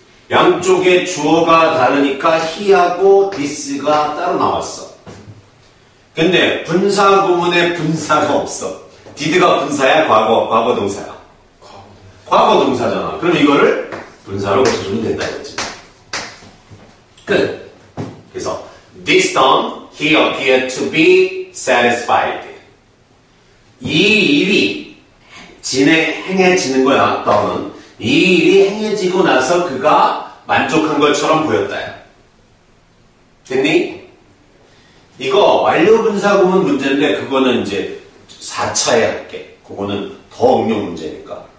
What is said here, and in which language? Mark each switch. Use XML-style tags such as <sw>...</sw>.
<ko>양쪽에 주어가 다르니까 he하고 this가 따로 나왔어. 근데 분사구문에 분사가 없어. did가 분사야? 과거 동사야? 과거 동사잖아. 그럼 이거를 분사로 붙여주면 된다 이거지. 끝. 그래서</ko> <en>this done he appeared to be satisfied.</en> <ko>이 일이 행해지는 거야. 또는 이 일이 행해지고 나서 그가 만족한 것처럼 보였다. 됐니? 이거 완료분사구문 문제인데 그거는 이제 4차에 할게. 그거는 더 응용 문제니까.</ko>